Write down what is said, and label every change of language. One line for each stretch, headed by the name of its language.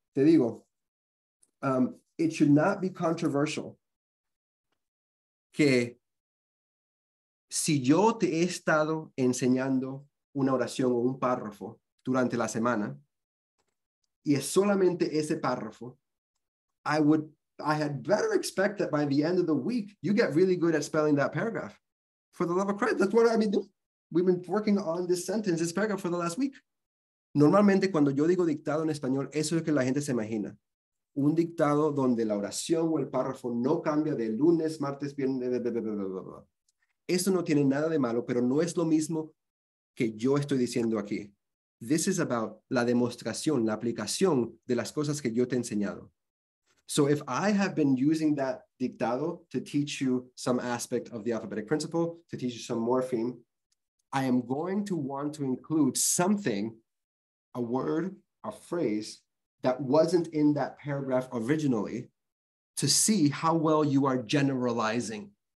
Spanish: Te digo,
English: it should not be controversial
Spanish: que si yo te he estado enseñando una oración o un párrafo durante la semana, y es solamente ese párrafo,
English: I had better expect that by the end of the week, you get really good at spelling that paragraph. For the love of Christ, that's what I've been doing. We've been working on this sentence, this paragraph, for the last week.
Spanish: Normalmente, cuando yo digo dictado en español, eso es que la gente se imagina. Un dictado donde la oración o el párrafo no cambia de lunes, martes, viernes, Eso no tiene nada de malo, pero no es lo mismo que yo estoy diciendo aquí.
English: This is about
Spanish: la demostración, la aplicación de las cosas que yo te he enseñado.
English: So if I have been using that dictado to teach you some aspect of the alphabetic principle, to teach you some morpheme, I am going to want to include something, a word, a phrase, that wasn't in that paragraph originally to see how well you are generalizing.